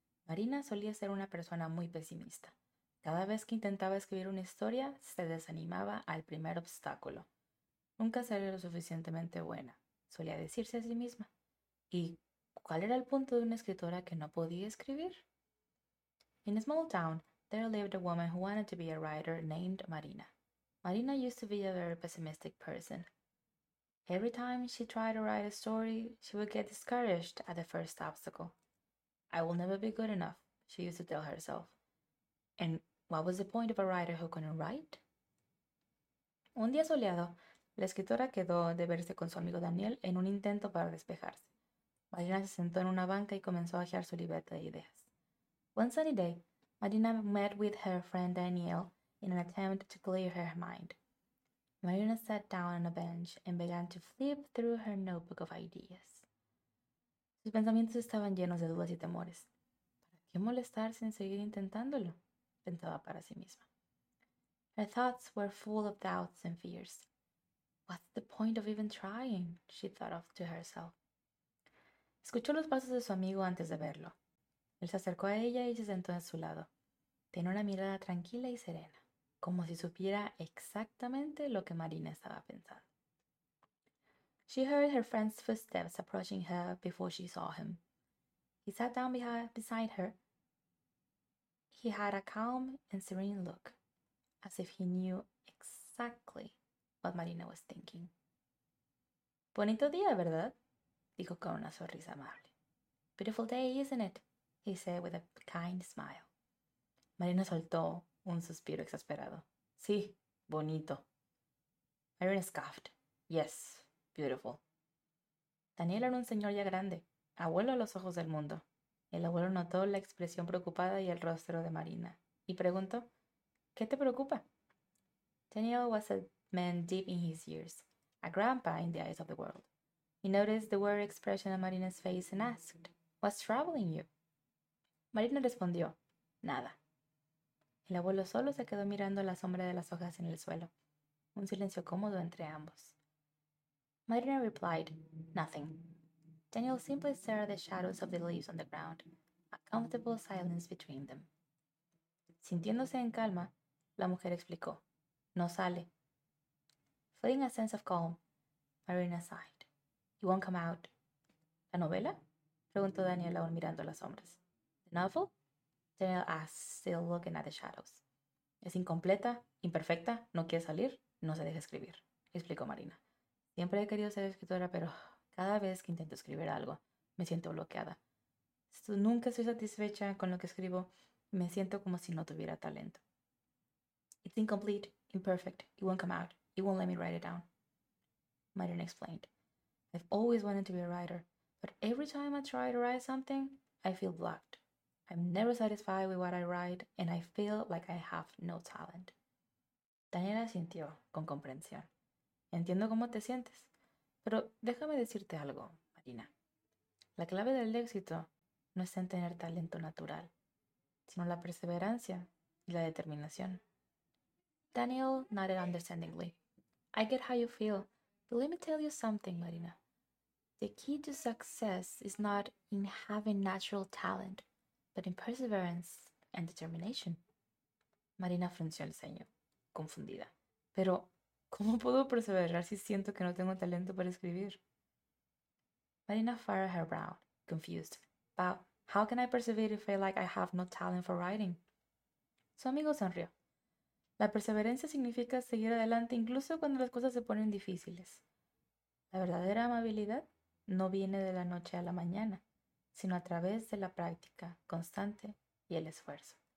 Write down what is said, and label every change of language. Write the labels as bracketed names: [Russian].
[Spanish] Marina solía ser una persona muy pesimista. Cada vez que intentaba escribir una historia, se desanimaba al primer obstáculo. Nunca seré lo suficientemente buena, solía decirse a sí misma. ¿Y cuál era el punto de una escritora que no podía escribir? [English] In a small town, there lived a woman who wanted to be a writer named Marina. Marina used to be a very pessimistic person. Every time she tried to write a story, she would get discouraged at the first obstacle. I will never be good enough, she used to tell herself. And what was the point of a writer who couldn't write? [Spanish] Un día soleado, la escritora quedó de verse con su amigo Daniel en un intento para despejarse. Marina se sentó en una banca y comenzó a hojear su libreta de ideas. [English] One sunny day, Marina met with her friend Daniel in an attempt to clear her mind. Marina sat down on a bench and began to flip through her notebook of ideas. [Spanish] Sus pensamientos estaban llenos de dudas y temores. ¿Para qué molestarse en seguir intentándolo? Pensaba para sí misma. [English] Her thoughts were full of doubts and fears. What's the point of even trying? She thought of to herself. [Spanish] Escuchó los pasos de su amigo antes de verlo. Él se acercó a ella y se sentó a su lado. Tenía una mirada tranquila y serena, como si supiera exactamente lo que Marina estaba pensando. [English] She heard her friend's footsteps approaching her before she saw him. He sat down beside her. He had a calm and serene look, as if he knew exactly what Marina was thinking. [Spanish] Bonito día, ¿verdad? Dijo con una sonrisa amable. [English] Beautiful day, isn't it? He said with a kind smile. Marina [Spanish] soltó un suspiro exasperado. Sí, bonito. Marina [English] scoffed. Yes, beautiful. [Spanish] Daniel era un señor ya grande, abuelo a los ojos del mundo. El abuelo notó la expresión preocupada y el rostro de Marina y preguntó, ¿qué te preocupa? [English] Daniel was a man deep in his years, a grandpa in the eyes of the world. He noticed the worried expression on Marina's face and asked, what's troubling you? [Spanish] Marina respondió, nada. El abuelo solo se quedó mirando la sombra de las hojas en el suelo, un silencio cómodo entre ambos. [English] Marina replied, nothing. Daniel simply stared at the shadows of the leaves on the ground, a comfortable silence between them. [Spanish] Sintiéndose en calma, la mujer explicó, no sale. [English] Feeling a sense of calm, Marina sighed. It won't come out. [Spanish] ¿La novela? Preguntó Daniel aún mirando las sombras. [English] ¿The novel? Daniel asked, still looking at the shadows. [Spanish] Es incompleta, imperfecta, no quiere salir, no se deja escribir, explicó Marina. Siempre he querido ser escritora, pero cada vez que intento escribir algo, me siento bloqueada. Nunca estoy satisfecha con lo que escribo, me siento como si no tuviera talento. [English] It's incomplete, imperfect, it won't come out, it won't let me write it down. Marina explained. I've always wanted to be a writer, but every time I try to write something, I feel blocked. I'm never satisfied with what I write, and I feel like I have no talent. [Spanish] Daniela sintió con comprensión. Entiendo cómo te sientes, pero déjame decirte algo, Marina. La clave del éxito no está en tener talento natural, sino la perseverancia y la determinación. [English] Daniel nodded understandingly. I get how you feel, but let me tell you something, Marina. The key to success is not in having natural talent, but in perseverance and determination. [Spanish] Marina frunció el ceño, confundida. Pero, ¿cómo puedo perseverar si siento que no tengo talento para escribir? [English] Marina furrowed her brow, confused. But how can I persevere if I feel like I have no talent for writing? [Spanish] Su amigo sonrió. La perseverancia significa seguir adelante incluso cuando las cosas se ponen difíciles. La verdadera amabilidad no viene de la noche a la mañana, sino a través de la práctica constante y el esfuerzo.